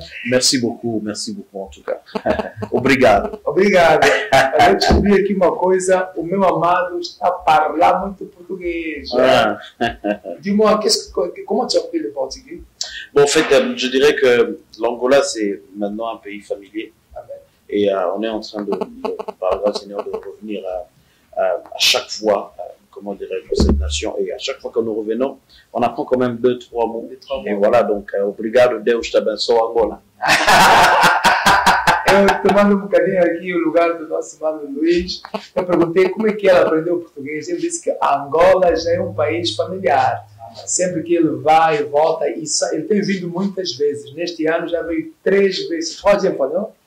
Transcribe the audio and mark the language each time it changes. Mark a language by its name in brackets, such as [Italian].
[French] Merci beaucoup, merci beaucoup, en tout cas. [Portuguese] Obrigado. Obrigado. Eu descobri aqui uma coisa, o meu amado está a falar muito português. [French] Ah. Né? Dis-moi, comment tu appelles le portugais? Bon, en fait, je dirais que l'Angola, c'est maintenant un pays familier. Amen. Et on est en train de, par le Seigneur, de revenir à chaque fois, comment dirais-je, cette nation. Et à chaque fois que nous revenons, on apprend quand même deux, trois mots. Et mois. Voilà, donc, [Portuguese] obrigado, Deus te abençoe, [French] Angola. [Portuguese] Eu tomando um bocadinho aqui o lugar do nosso irmão Luís, eu perguntei como é que ela aprendeu português. Ele disse que a Angola já é um país familiar. Sempre que ele vai, volta, e sai. Eu tenho vindo muitas vezes. Neste ano já veio 3 vezes. Pode ir, não?